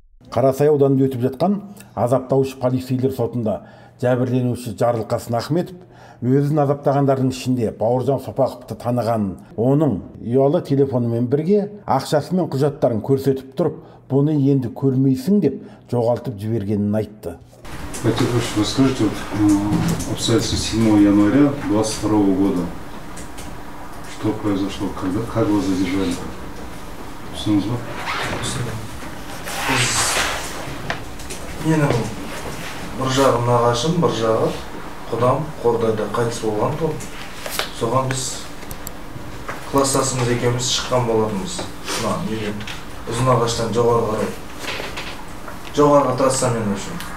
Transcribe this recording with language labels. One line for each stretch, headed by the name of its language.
Kazakh: Қарасай ауданында өтіп жатқан азаптаушы полицейлер сотында жәбірленуші Жарылқасын Ахметов өзін азаптағандардың ішінде Бауыржан Сопақовты танығанын, оның ұялы телефонымен бірге ақшасы мен құжаттарын көрсетіп тұрып, бұны енді көрмейсің деп жоғалтып жібергенін айтты.
Russian: Хотел бы рассказать вот обстоятельства 7 января 22 года. Что произошло, когда, как вас задержали?
Kazakh: Сыныз ба? Менің бір жағы нағашым, бір жағы құдам қордайда қайтыс болған тұл. Соған біз класстасымыз екеміз шыққан болатынбыз. Мен ұзын ағаштан жоғарға тұрасса мен үшін.